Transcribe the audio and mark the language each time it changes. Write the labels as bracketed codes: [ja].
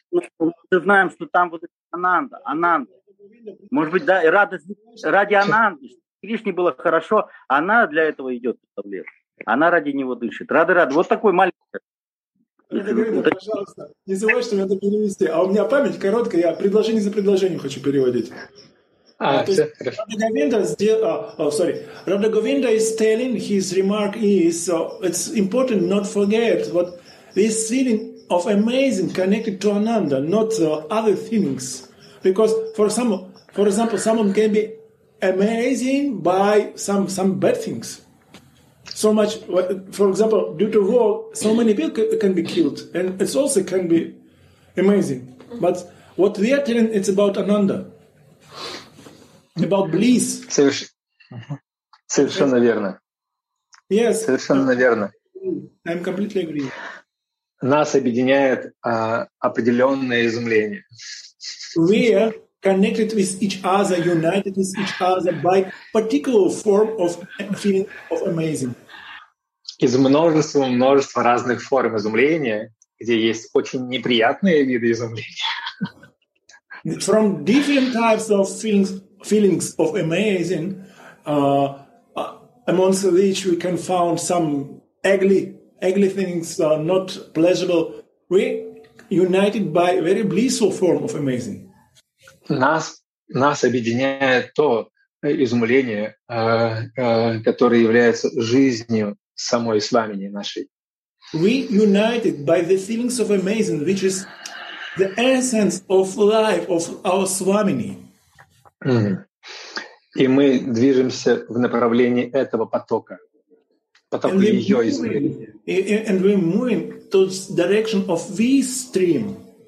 [ru] Но мы знаем, что там вот Ананда. Может быть, да, радость ради Ананды. Кришне было хорошо, она для этого идет в лес. Она ради него дышит. Рады-рады. Вот такой маленький. Пожалуйста, не забывай, что мне надо перевести. А у меня память короткая, я предложение за предложением хочу переводить. [en] Рада Говинда is telling, his remark is, so it's important not forget what this feeling of amazing connected to Ananda, not other things. Because for example, someone can be amazing by some bad things. So much, for example, due to war, so many people can be killed, and it also can be amazing. But what we are telling, it's about Ananda, about bliss. [ru] Совершенно верно. [en] Yes. [ru] Совершенно верно. [en] I'm completely agree. [ru] Нас объединяет определенное изумление. [en] We are connected with each other, united with each other by particular form of feeling of amazing. [ru] Из множества разных форм изумления, где есть очень неприятные виды изумления. [en] From different types of feelings of amazing, amongst which we can find some ugly things, not pleasurable, we united by a very blissful form of amazing. [ru] Нас объединяет то изумление, которое является жизнью самой сламени нашей. [en] We united by the feelings of amazing, which is the essence of life of our swamini. Mm-hmm. [ru] И мы движемся в направлении этого потока. Потока ее изумления. [en] And we're moving towards the direction of this stream.